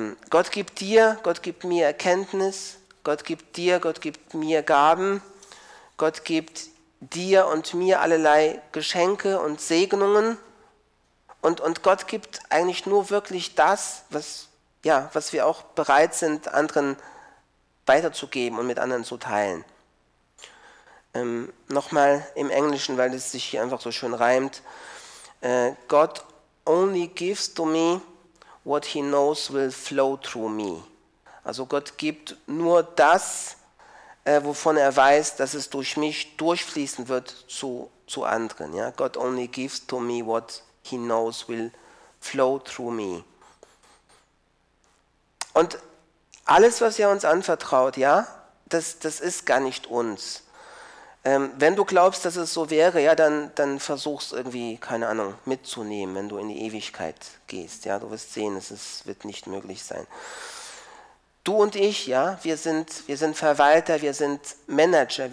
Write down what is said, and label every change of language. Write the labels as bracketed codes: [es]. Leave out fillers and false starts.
[de] Gott gibt dir, Gott gibt mir Erkenntnis, Gott gibt dir, Gott gibt mir Gaben, Gott gibt dir und mir allerlei Geschenke und Segnungen und Gott gibt eigentlich nur wirklich das, was, ja, was wir auch bereit sind, anderen weiterzugeben und mit anderen zu teilen. Nochmal im Englischen, weil es sich hier einfach so schön reimt. [en] God only gives to me what he knows will flow through me. [de] Also Gott gibt nur das, wovon er weiß, dass es durch mich durchfließen wird zu anderen. Ja? [en] God only gives to me what he knows will flow through me. [de] Und alles, was er uns anvertraut, ja, das ist gar nicht uns. Wenn du glaubst, dass es so wäre, ja, dann versuch es irgendwie, keine Ahnung, mitzunehmen, wenn du in die Ewigkeit gehst. Ja, du wirst sehen, es wird nicht möglich sein. Du und ich, ja, wir sind Verwalter, wir sind Manager.